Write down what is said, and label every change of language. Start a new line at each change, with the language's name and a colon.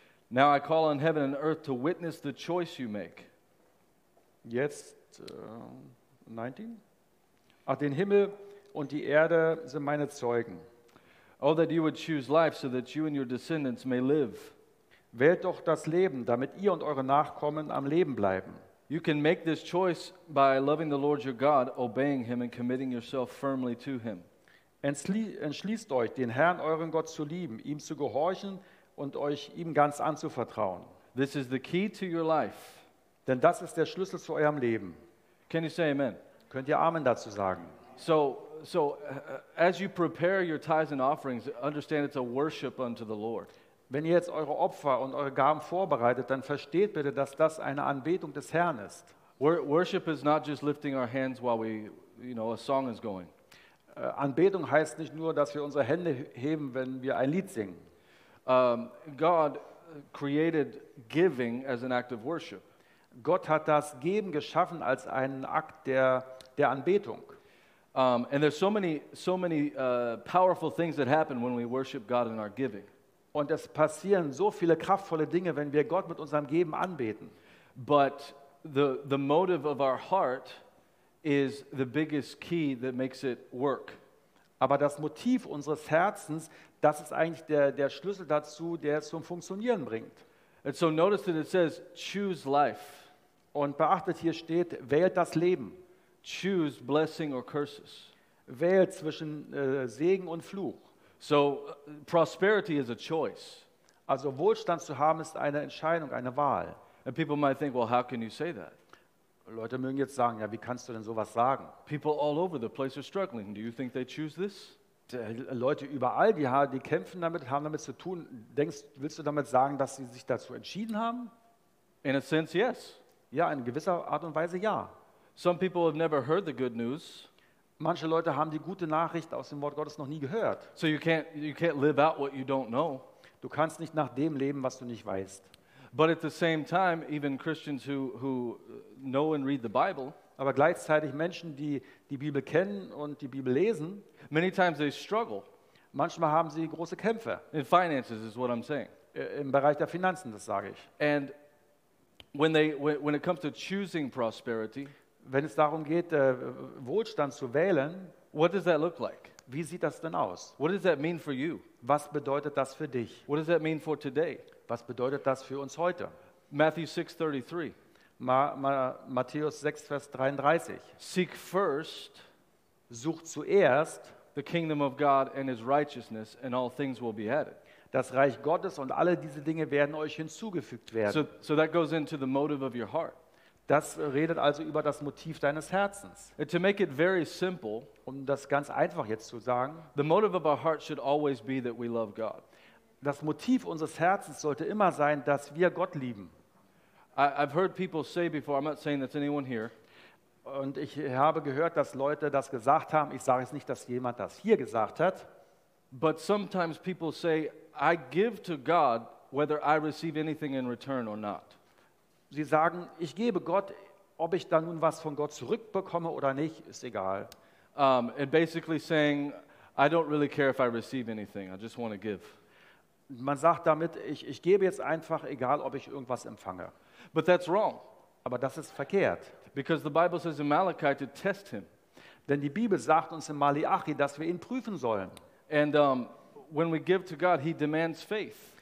English: Now I call on heaven and earth to witness the choice you make.
German: Jetzt 19. Ach, den Himmel und die Erde sind meine Zeugen.
English: Oh, that you would choose life so that you and your descendants may live.
German: Wählt doch das Leben, damit ihr und eure Nachkommen am Leben bleiben.
English: You can make this choice by loving the Lord your God, obeying him and committing yourself firmly to him.
German: Entschließt euch, den Herrn, euren Gott, zu lieben, ihm zu gehorchen und euch ihm ganz anzuvertrauen.
English: This is the key to your life.
German: Denn das ist der Schlüssel zu eurem Leben.
English: Can you say amen?
German: Könnt ihr Amen dazu sagen?
English: So as you prepare your tithes and offerings, understand it's a worship unto the Lord.
German: Wenn ihr jetzt eure Opfer und eure Gaben vorbereitet, dann versteht bitte, dass das eine Anbetung des Herrn ist.
English: Worship is not just lifting our hands while we, you know, a song is going.
German: Anbetung heißt nicht nur, dass wir unsere Hände heben, wenn wir ein Lied singen.
English: God created giving as an act of worship.
German: Gott hat das Geben geschaffen als einen Akt der Anbetung.
English: And there's so many powerful things that happen when we worship God in our giving.
German: Und es passieren so viele kraftvolle Dinge, wenn wir Gott mit unserem Geben anbeten.
English: But the motive of our heart is the biggest key that makes it work.
German: Aber das Motiv unseres Herzens, das ist eigentlich der Schlüssel dazu, der es zum Funktionieren bringt.
English: And so notice that it says, choose life.
German: Und beachtet, hier steht, wählt das Leben.
English: Choose blessing or curses.
German: Wählt zwischen Segen und Fluch.
English: So prosperity is a choice.
German: Also Wohlstand zu haben ist eine Entscheidung, eine Wahl.
English: And people might think, well, how can you say that?
German: Leute mögen jetzt sagen, ja, wie kannst du denn sowas sagen?
English: People all over the place are struggling. Do you think they choose this?
German: Leute überall, die kämpfen damit, haben damit zu tun. Willst du damit sagen, dass sie sich dazu entschieden haben?
English: In a sense, yes.
German: Ja, in gewisser Art und Weise, ja.
English: Some people have never heard the good news.
German: Manche Leute haben die gute Nachricht aus dem Wort Gottes noch nie gehört.
English: So you can't live out what you don't know.
German: Du kannst nicht nach dem leben, was du nicht weißt.
English: But at the same time, even Christians who know and read the Bible,
German: aber gleichzeitig Menschen, die Bibel kennen und die Bibel lesen,
English: many times they struggle.
German: Manchmal haben sie große Kämpfe.
English: In finances is what I'm saying.
German: Im Bereich der Finanzen, das sage ich.
English: And when it comes to choosing prosperity,
German: wenn es darum geht, Wohlstand zu wählen,
English: what does that look like?
German: Wie sieht das denn aus?
English: What does that mean for you?
German: Was bedeutet das für dich?
English: What does that mean for today?
German: Was bedeutet das für uns heute? Matthäus 6, Vers 33.
English: Seek first,
German: sucht zuerst,
English: the kingdom of God and his righteousness, and all things will be added.
German: Das Reich Gottes und alle diese Dinge werden euch hinzugefügt werden.
English: So that goes into the motive of your heart.
German: Das redet also über das Motiv deines Herzens.
English: To make it very simple,
German: um das ganz einfach jetzt zu sagen,
English: the motive of our heart should always be that we love God.
German: Das Motiv unseres Herzens sollte immer sein, dass wir Gott lieben.
English: I've heard people say before, I'm not saying that's anyone here.
German: Und ich habe gehört, dass Leute das gesagt haben. Ich sage es nicht, dass jemand das hier gesagt hat.
English: But sometimes people say, I give to God whether I receive anything in return or not.
German: Sie sagen, ich gebe Gott, ob ich dann nun was von Gott zurückbekomme oder nicht, ist egal.
English: And basically saying, I don't really care if I receive anything, I just want to give.
German: Man sagt damit, ich gebe jetzt einfach, egal ob ich irgendwas empfange.
English: But that's wrong.
German: Aber das ist verkehrt.
English: Because the Bible says in Malachi to test him.
German: Denn die Bibel sagt uns in Malachi, dass wir ihn prüfen sollen.
English: And when we give to God, he demands faith.